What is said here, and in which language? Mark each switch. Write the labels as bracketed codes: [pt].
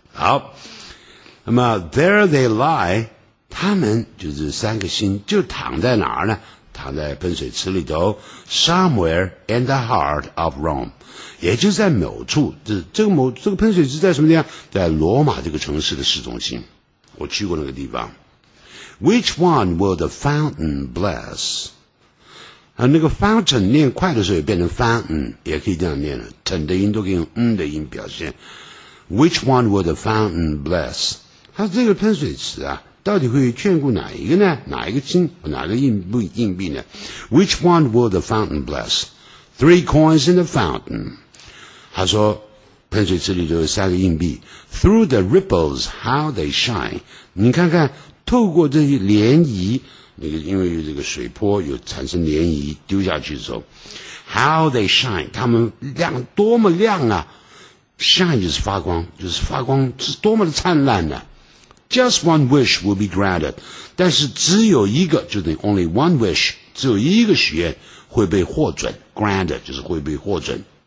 [zh] 好，那么 [en] there they lie， [zh] 他们就是三个心，就躺在哪儿呢？躺在喷水池里头 ， [en] somewhere in the heart of Rome， [zh] 也就在某处，这个喷水池在什么地方？在罗马这个城市的市中心，我去过那个地方。 [en] Which one will the fountain bless？ [zh] 啊，那个 fountain 念快的时候也变成 fountain， 也可以这样念了 ，ten 的音都跟嗯的音表现。 [en] Which one will the fountain bless？ [zh] 它这个喷水池啊。到底会眷顾哪一个呢？哪一个金？哪个硬币呢？ [en] Which one will the fountain bless? Three coins in the fountain. [zh] 他说，喷水池里就有三个硬币。 [en] Through the ripples, how they shine. [zh] 你看看，透过这些涟漪，那个因为这个水波有产生涟漪，丢下去的时候， [en] how they shine. [zh] 他们亮，多么亮啊！Shine 就是发光，就是发光，是多么的灿烂呢、啊？ [en] Just one wish will be granted， [zh] 但是只有一个，就等于 [en] only one wish， [zh] 只有一个许愿会被获准 ，granted 就是会被获准。